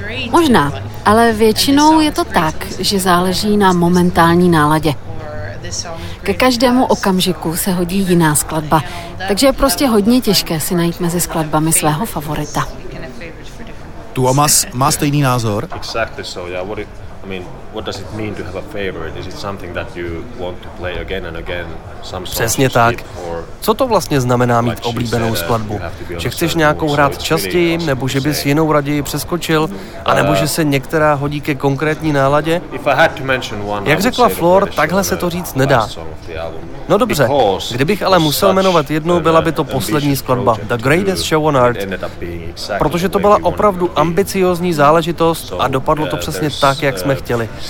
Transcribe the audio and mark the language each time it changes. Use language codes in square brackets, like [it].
[cs] Možná, ale většinou je to tak, že záleží na momentální náladě. Ke každému okamžiku se hodí jiná skladba, takže je prostě hodně těžké si najít mezi skladbami svého favorita. Tuomas má stejný názor? [en] Exactly so, yeah. What does it mean to have a favorite? Is it something that you want to play again and again? [cs] Přesně tak. Co to vlastně znamená mít oblíbenou skladbu? Že chceš nějakou hrát častěji, nebo že bys jinou raději přeskočil, anebo že se některá hodí ke konkrétní náladě? Jak řekla Flor, takhle se to říct nedá. No dobře, kdybych ale musel jmenovat jednu, byla by to poslední skladba, The Greatest Show on Earth, protože to byla opravdu ambiciózní záležitost a dopadlo to přesně tak, jak jsme chtěli.